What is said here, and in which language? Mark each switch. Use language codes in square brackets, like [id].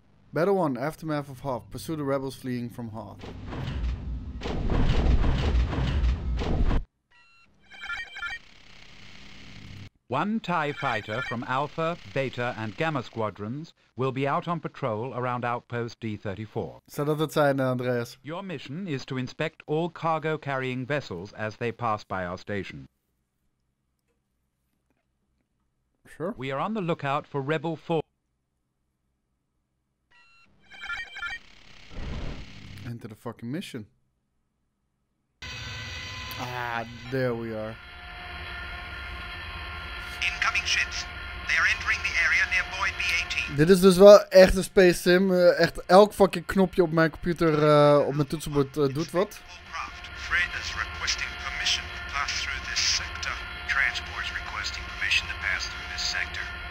[en] Battle 1, Aftermath of Hoth. Pursue the rebels fleeing from Hoth. One TIE fighter from Alpha, Beta and Gamma squadrons will be out on patrol around outpost D-34. [nl] Zou dat het zijn, Andreas? [en] Your mission is to inspect all cargo-carrying vessels as they pass by our station. Sure. We are on the lookout for Rebel 4. Into the fucking mission. Ah, there we are. Incoming ships. They are entering the area near Void B-18. [nl] Dit is dus wel echt een space sim. Echt elk fucking knopje op mijn computer, op mijn toetsenbord, doet wat. [en] Freight is requesting permission to pass through this sector. Transport is requesting permission to pass through this sector.